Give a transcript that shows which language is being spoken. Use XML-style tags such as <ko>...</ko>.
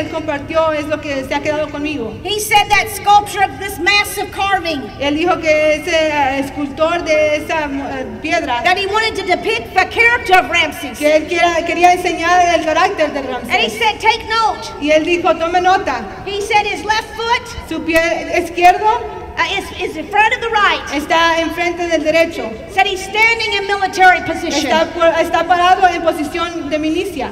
<es>Él compartió es lo que se ha quedado conmigo.</es> <en>He said that sculpture of this massive carving.</en> <es>Él dijo que ese escultor de esa piedra.</es> <en>That he wanted to depict the character of Ramses.</en> <es>Que él quería enseñar el carácter de Ramsés.</es> <en>And he said, take note.</en> <es>Y él dijo, tome nota.</es> <en>He said his left foot.</en> <es>Su pie izquierdo.</es> <en>Is in front of the right.</en> <es>Está enfrente del derecho.</es> <en>Said he's standing in military position.</en> <es>Está parado en posición de milicia.</es>